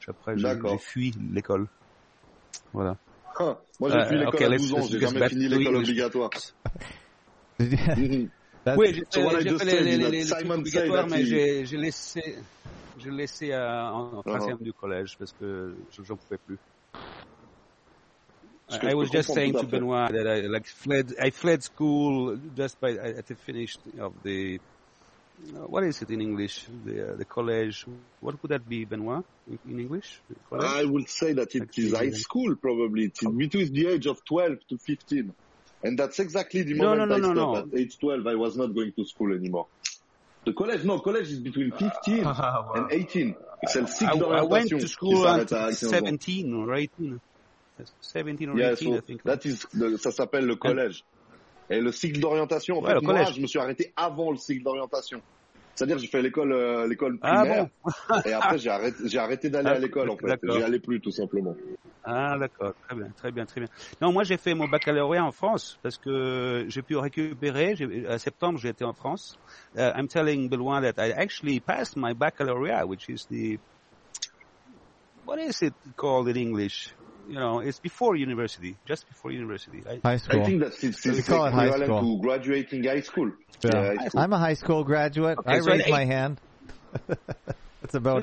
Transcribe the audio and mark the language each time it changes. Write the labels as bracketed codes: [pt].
[fr] Après, j'ai fui l'école. Voilà. Moi, j'ai fui l'école à 12 ans. J'ai jamais fini l'école obligatoire. Oui, j'ai fait les trucs obligatoires, mais j'ai laissé en troisième du collège parce que j'en pouvais plus. [en] I was just saying to Benoit that I fled school just by at the finish of the what is it in English, the college, what would that be, Benoit, in English? I would say that it is high school, probably between the age of 12 to 15. And that's exactly the moment I stopped at age 12. I was not going to school anymore. The college, no, college is between 15 and 18. It's a sixth orientation. I went to school at 17 or 18. 17 or 18, I think. [fr] Ça s'appelle le collège. Et le cycle d'orientation, en fait, moi, je me suis arrêté avant le cycle d'orientation. C'est-à-dire, j'ai fait l'école primaire. Ah, bon. Et après, j'ai arrêté d'aller à l'école, en fait. D'accord. J'y allais plus, tout simplement. Ah, d'accord. Très bien, très bien, très bien. Non, moi, j'ai fait mon baccalauréat en France parce que j'ai pu récupérer. À septembre, j'étais en France. [en] I'm telling Benoit that I actually passed my baccalauréat, which is the... What is it called in English? You know, it's before university, just before university. High school. I think that's it's high school. To graduating high school. Yeah. High school. I'm a high school graduate. Okay, I raise my hand. That's about